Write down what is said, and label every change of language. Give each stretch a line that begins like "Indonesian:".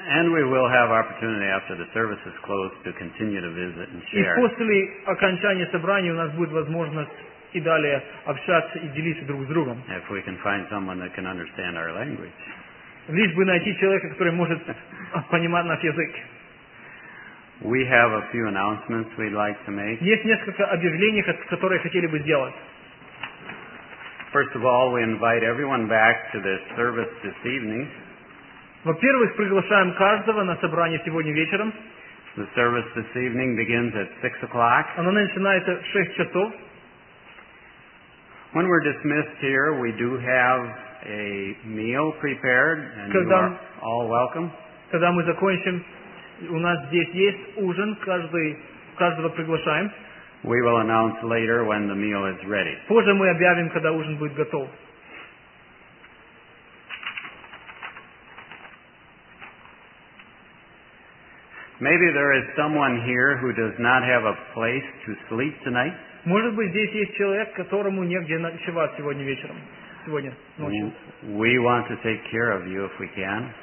English: And we will have opportunity after the service is closed to continue to visit and share.
Russian: И после окончания собрания у нас будет возможность и далее общаться и делиться друг с другом.
English: If we can find someone that can understand our language.
Russian: Лишь бы найти человека, который может понимать наш язык.
English: We have a few announcements we'd like to make.
Russian: Есть несколько объявлений, которые хотели бы сделать.
English: First of all, we invite everyone back to this service this evening.
Russian: Во-первых, приглашаем каждого на собрание сегодня вечером.
English: The service this evening begins at 6:00.
Russian: Оно начинается в 6:00.
English: When we're dismissed here, we do have a meal prepared, and you are all welcome.
Russian: Когда мы закончим, у нас здесь есть ужин, каждого приглашаем.
English: We will announce later when the meal is ready.
Russian: Позже мы объявим, когда ужин будет готов.
English: Maybe there is someone here who does not have a place to sleep tonight.
Russian: Может быть, здесь есть человек, которому негде ночевать сегодня вечером, сегодня ночью.
English: We want to take care of you if we can.